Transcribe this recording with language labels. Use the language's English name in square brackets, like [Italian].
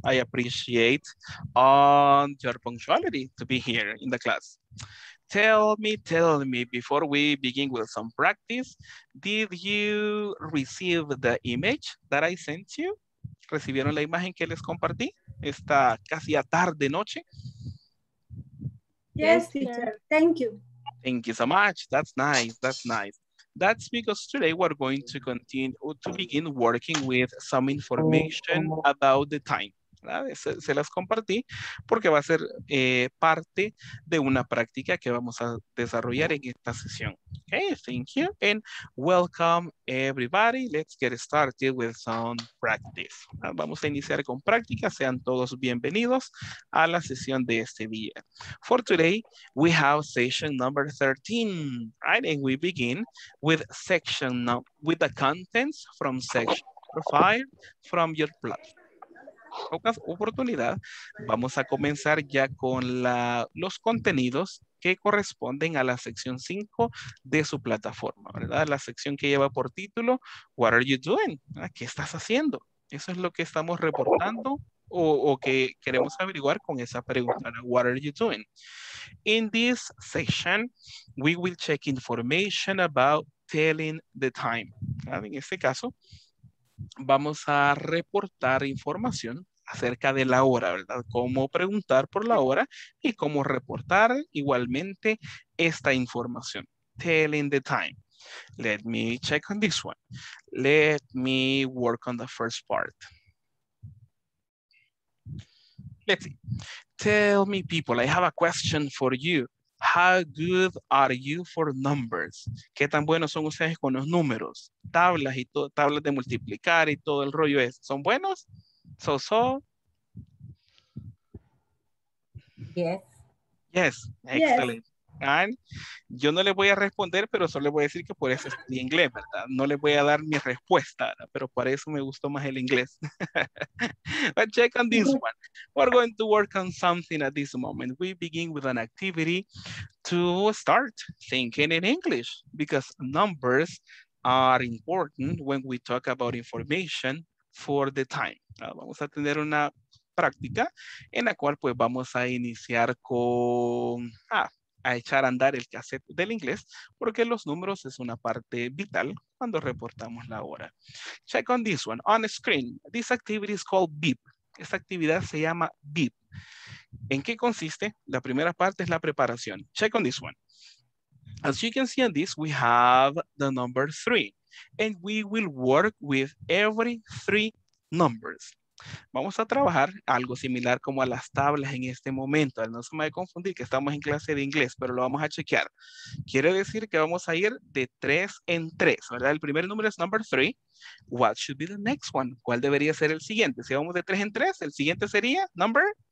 [English] I appreciate your punctuality to be here in the class. Tell me, before we begin with some practice, did you receive the image that I sent you? [Spanish] ¿Recibieron la imagen que les compartí esta casi a tarde noche? [English] Yes, teacher. Thank you. Thank you so much. That's nice. That's nice. That's because today we're going to continue to begin working with some information about the time. [Spanish] Se las compartí porque va a ser parte de una práctica que vamos a desarrollar en esta sesión. [English] Okay, thank you and welcome everybody. Let's get started with some practice. [Spanish] Vamos a iniciar con práctica. Sean todos bienvenidos a la sesión de este día. [English] For today, we have session number 13, right? And we begin with section with the contents from section 5 from your platform. [Spanish] Pocas oportunidad, vamos a comenzar ya con los contenidos que corresponden a la sección 5 de su plataforma, ¿verdad? La sección que lleva por título, [English] What are you doing? [Spanish] ¿Qué estás haciendo? Eso es lo que estamos reportando o que queremos averiguar con esa pregunta, [English] What are you doing? In this session, we will check information about telling the time, ¿verdad? [Spanish] En este caso, vamos a reportar información acerca de la hora, ¿verdad? Cómo preguntar por la hora y cómo reportar igualmente esta información. [English] Telling the time. Let me check on this one. Let me work on the first part. Let's see. Tell me, people, I have a question for you. How good are you for numbers? [Spanish] ¿Qué tan buenos son ustedes con los números? Tablas y tablas de multiplicar y todo el rollo es. ¿Son buenos? [English] So-so. Yes. Yes, excellent. Yes. And [Spanish] yo no le voy a responder, pero solo le voy a decir que por eso estoy en inglés, ¿verdad? No le voy a dar mi respuesta, ¿verdad? Pero para eso me gustó más el inglés. [English] But check on this one. We're going to work on something at this moment. We begin with an activity to start thinking in English because numbers are important when we talk about information for the time. [Spanish] Vamos a tener una práctica en la cual pues vamos a iniciar con a echar a andar el cassette del inglés porque los números es una parte vital cuando reportamos la hora. [English] Check on this one. On screen, this activity is called beep. [Spanish] Esta actividad se llama beep. ¿En qué consiste? La primera parte es la preparación. [English] Check on this one. As you can see on this, we have the number three and we will work with every three numbers. [Spanish] Vamos a trabajar algo similar como a las tablas en este momento. No se me va a confundir que estamos en clase de inglés, pero lo vamos a chequear. Quiere decir que vamos a ir de tres en tres, ¿verdad? El primer número es number three. [English] What should be the next one? [Spanish] ¿Cuál debería ser el siguiente? Si vamos de tres en tres, el siguiente sería number